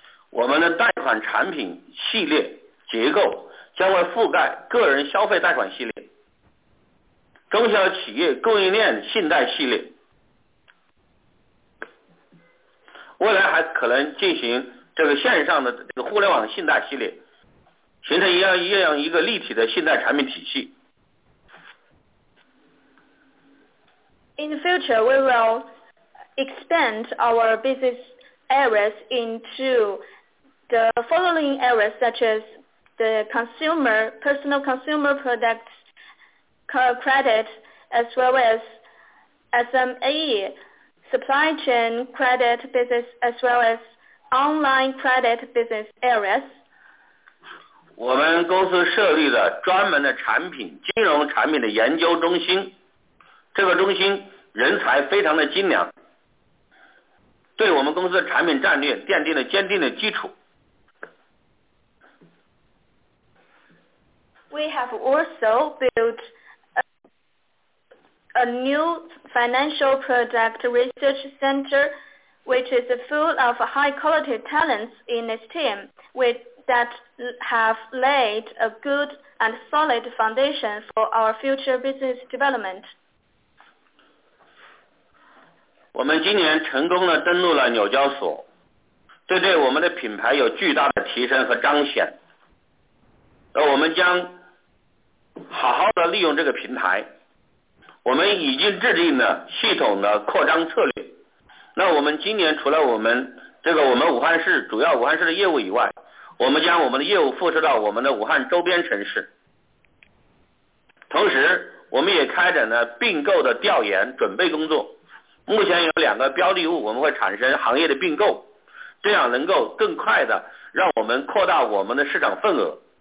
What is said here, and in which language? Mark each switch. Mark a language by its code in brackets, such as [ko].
[zh] 我们的贷款产品系列结构将会覆盖个人消费贷款系列、中小企业供应链信贷系列、还可能进行这个线上的这个互联网信贷系列，形成一样一个立体的信贷产品体系。 [en] In the future, we will expand our business areas into the following areas, such as the consumer, personal consumer products, credit, as well as SME, supply chain credit business, as well as online credit business areas. [zh] 我们公司设立了专门的产品，金融产品的研究中心，这个中心人才非常的精良，对我们公司的产品战略奠定了坚定的基础。 [en] We have also built a new financial product research center, which is full of high quality talents in its team, that have laid a good and solid foundation for our future business development. [zh] 我们今年成功地登陆了纽交所，这对我们的品牌有巨大的提升和彰显，而我们将好好的利用这个平台。我们已经制定了系统的扩张策略，那我们今年除了我们武汉市主要武汉市的业务以外，我们将我们的业务复制到我们的武汉周边城市，同时我们也开展了并购的调研准备工作，目前有两个标的物我们会产生行业的并购，这样能够更快的让我们扩大我们的市场份额。